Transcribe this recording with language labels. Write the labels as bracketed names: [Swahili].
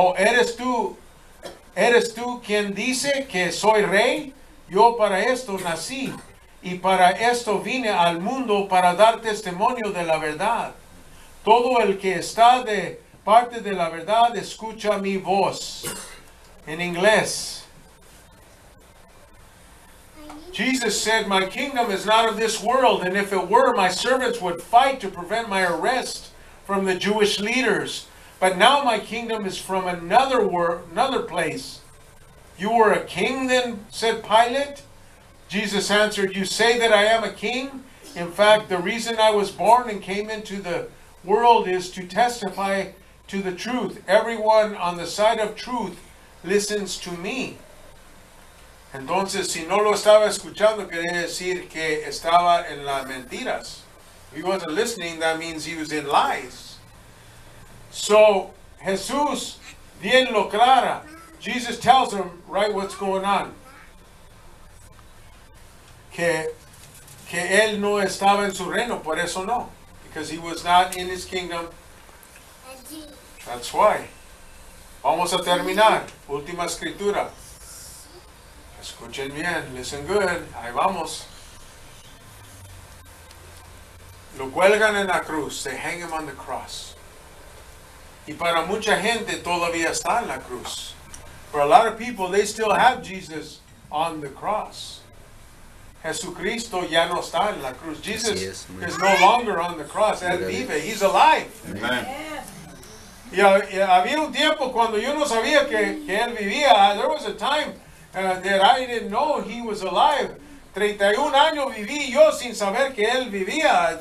[Spanish] ¿Eres tú quien dice que soy rey? Yo para esto nací. Y para esto vine al mundo, para dar testimonio de la verdad. Todo el que está de parte de la verdad, escucha mi voz. En inglés. [English] Jesus said, my kingdom is not of this world. And if it were, my servants would fight to prevent my arrest from the Jewish leaders. But now my kingdom is from another place. You were a king then, said Pilate. Jesus answered, you say that I am a king? In fact, the reason I was born and came into the world is to testify to the truth. Everyone on the side of truth listens to me. [Spanish] Entonces, si no lo estaba escuchando, quería decir que estaba en las mentiras. [English] If he wasn't listening, that means he was in lies. [Spanish] So, Jesús, bien lo clara. [English] Jesus tells him, right, what's going on. [Spanish] Que él no estaba en su reino, por eso no. [English] Because he was not in his kingdom. That's why. [Spanish] Vamos a terminar. Última escritura. Escuchen bien. [English] Listen good. [Spanish] Ahí vamos. Lo cuelgan en la cruz. [English] They hang him on the cross. [Spanish] Y para mucha gente todavía está en la cruz. [English] For a lot of people, they still have Jesus on the cross. [Spanish] Jesucristo ya no está en la cruz. [English] Jesus is no longer on the cross. [Spanish] Él vive. [English] He's alive. Amen. [Spanish] Y había un tiempo cuando yo no sabía que él vivía. [English] There was a time that I didn't know he was alive. [Spanish] 31 años viví yo sin saber que él vivía.